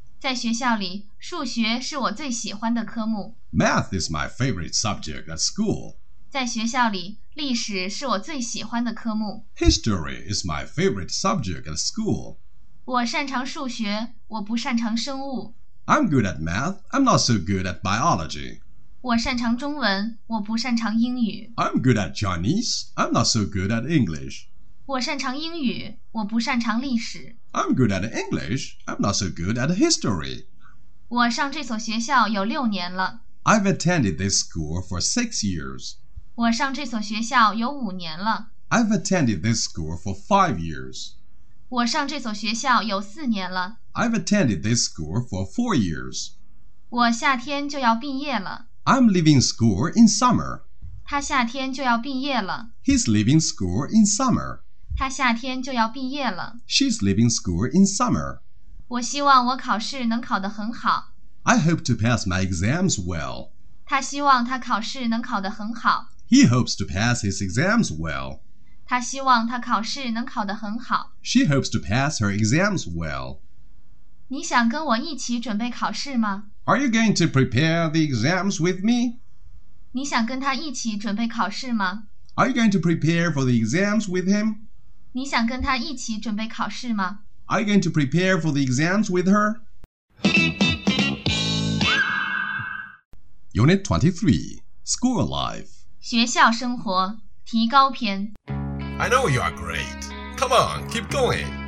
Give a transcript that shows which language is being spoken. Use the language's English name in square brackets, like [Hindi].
[Chinese] 在学校里，数学是我最喜欢的科目。 [English] Math is my favorite subject at school. [Chinese] 在学校里，历史是我最喜欢的科目。 [English] History is my favorite subject at school. [Chinese] 我擅长数学，我不擅长生物。 [English] I'm good at math, I'm not so good at biology. [Chinese] 我擅长中文，我不擅长英语。 [English] I'm good at Chinese, I'm not so good at English. [Chinese] 我擅长英语，我不擅长历史。 [English] I'm good at English, I'm not so good at history. [Chinese] 我上这所学校有六年了。 [English] I've attended this school for 6 years. [Chinese] 我上这所学校有五年了。 [English] I've attended this school for 5 years. [Chinese] 我上这所学校有四年了。 [English] I've attended this school for 4 years. [Chinese] 我夏天就要毕业了。 [English] I'm leaving school in summer. [Chinese] 他夏天就要毕业了。 [English] He's leaving school in summer. [Chinese] 他夏天就要毕业了。 [English] She's leaving school in summer. [Chinese] 我希望我考试能考得很好。 [English] I hope to pass my exams well. [Chinese] 他希望他考试能考得很好。 [English] He hopes to pass his exams well. [Chinese] 他希望他考试能考得很好。 [English] She hopes to pass her exams well. [Chinese] 你想跟我一起准备考试吗？ [English] Are you going to prepare the exams with me? [Chinese] 你想跟他一起准备考试吗？ [English] Are you going to prepare for the exams with him? [Chinese] 你想跟他一起准备考试吗？ [English] Are you going to prepare for the exams with her? Unit 23, School Life. [Chinese] 学校生活，提高篇。 [English] I know you are great. Come on, keep going.